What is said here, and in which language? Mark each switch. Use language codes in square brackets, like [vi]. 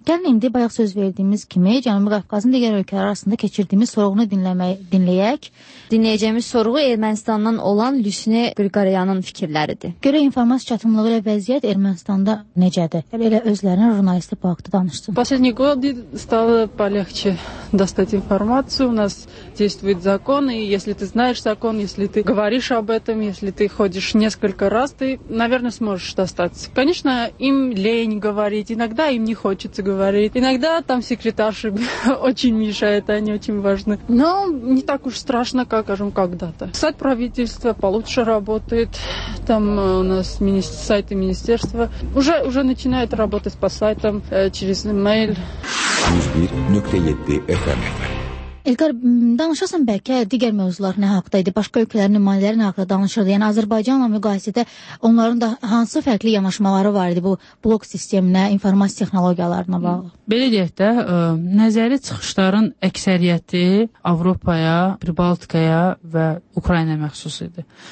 [az] Gəlin indi bayaq söz verdiyimiz kimi Cənubi Qafqazın digər ölkələri arasında keçirdiyimiz sorğunu dinləyək. Dinləyəcəyimiz sorğu Ermənistandan olan Lüsinə Qriqoryanın fikirləridir. Görə informasiya çatımlığı ilə vəziyyət Ermənistanda necədir? Elə özlərinə jurnalistik bu haqda danışsın. [ru] Последние годы стало полегче достать информацию. У нас действует закон, и если ты знаешь закон, если ты говоришь об этом, если ты ходишь несколько раз, ты, наверное, сможешь достаться. Конечно, им лень говорить, иногда им не хочется говорить. Иногда там секретарши очень мешают, они очень важны. Но не так уж страшно, как, скажем, когда-то. Сайт правительства получше работает. Там у нас сайты министерства уже начинают работать по сайтам через email. 101.7 FM. [az] Elqar, danışasın bəlkə digər mövzular nə haqda idi, başqa ölkələrin nümayəndələri nə haqda danışırdı? Yəni, Azərbaycanla müqayisədə onların da hansı fərqli yanaşmaları var idi bu blok sisteminə, informasiya texnologiyalarına bağlı? Belə deyək də, nəzəri çıxışların əksəriyyəti Avropaya, Baltikaya və Ukrayna məxsus idi.